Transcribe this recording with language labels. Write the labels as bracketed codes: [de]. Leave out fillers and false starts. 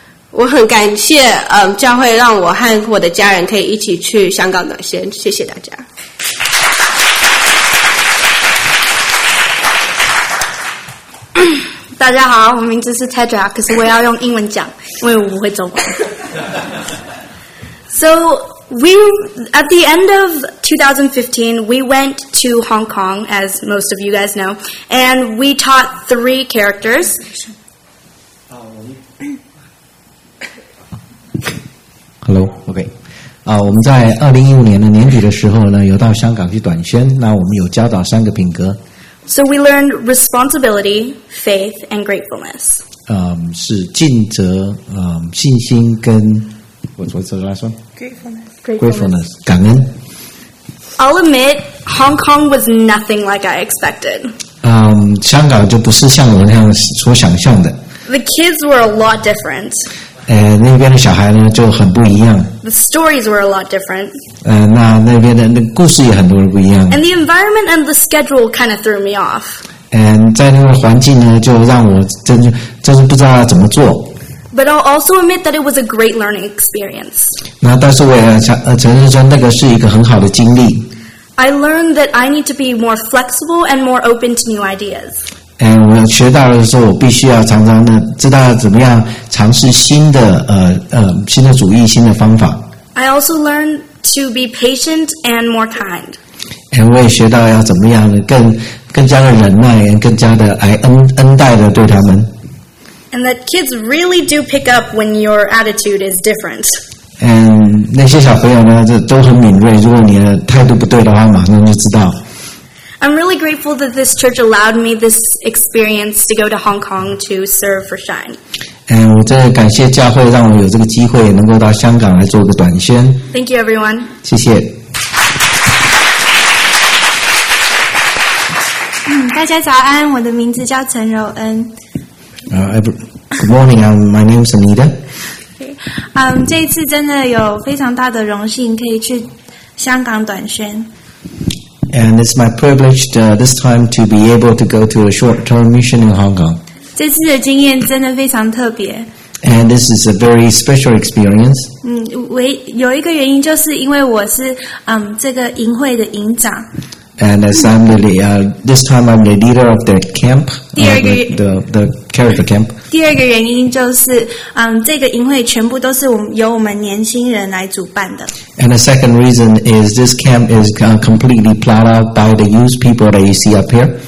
[zh] 我很感谢教会让我和我的家人可以一起去香港短宣，谢谢大家。大家好，我名字是 Tedra， 可是我要用英文讲，因为我不会中文。 [en] So at the end of 2015, we went to Hong Kong, as most of you guys know, and we taught 3 characters. Hello, okay. [zh] 我们在2015年的年底的时候呢，有到香港去短宣，那我们有教导3个品格。 [en] So we learned responsibility, faith, and gratefulness. [zh] 是尽责、信心跟 [en] what's the last one? Gratefulness. Gratefulness. [zh] 感恩。 [en] I'll admit, Hong Kong was nothing like I expected. [zh] 香港就不是像我那样所想象的。 [en] The kids were a lot different. [zh] 那边的小孩呢就很不一样。 [en] The stories were a lot different. [zh] 那边的故事也很多人不一样。 [en] And the environment and the schedule kind of threw me off. [zh] And 在那个环境呢，就让我真是不知道怎么做。 [en] But I'll also admit that it was a great learning experience. [zh] 那但是我也承认说，那个是一个很好的经历。 [en] I learned that I need to be more flexible and more open to new ideas. [zh] And 我学到的时候，我必须要常常的知道怎么样尝试新的主意、新的方法。 [en] I also learned to be patient and more kind. [zh] And 我也学到要怎么样的更加的忍耐，更加的来恩待的对他们。 [en] And that kids really do pick up when your attitude is different. [zh] 嗯，那些小朋友呢，这都很敏锐。如果你的态度不对的话，马上就知道。 [en] I'm really grateful that this church allowed me this experience to go to Hong Kong to serve for Shine. [zh] 嗯，我真的感谢教会让我有这个机会能够到香港来做个短宣。 [en] Thank you, everyone. [zh] 谢谢。大家早安，我的名字叫陈柔恩。 [en] Good morning. My name is Anita. [zh] 这一次真的有非常大的荣幸可以去香港短宣。 [en] And it's my privilege this time to be able to go to a short-term mission in Hong Kong. [zh] 这次的经验真的非常特别。 [en] And this is a very special experience. [zh] 有一个原因就是因为我是这个营会的营长。 [en] And as I'm the this time I'm the leader of the camp, the character camp. [zh] 第二个原因就是，这个营会全部都是由我们年轻人来主办的。 [en] And the second reason is this camp is completely planned out by the youth people that you see up here.